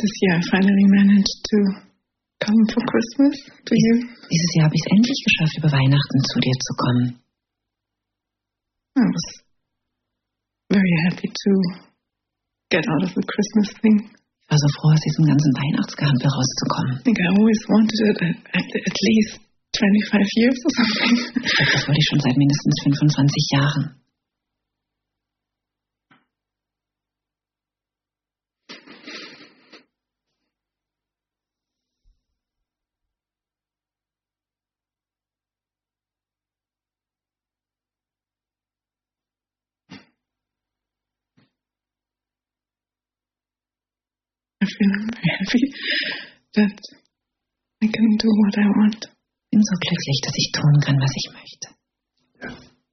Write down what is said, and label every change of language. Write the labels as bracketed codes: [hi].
[en] this year I finally managed to come for Christmas to you. [de] Dieses Jahr habe ich es endlich geschafft, über Weihnachten zu dir zu kommen. [en] I was very happy to get out of the Christmas thing. [de] Ich war so froh, aus diesem ganzen Weihnachtsgehampel rauszukommen. [en] I think I always wanted it at least 25 years or something. [de] Das wollte ich schon seit mindestens 25 Jahren. [en] I feel very happy that I can do what I want. [de] Bin so glücklich, dass ich tun kann, was ich möchte.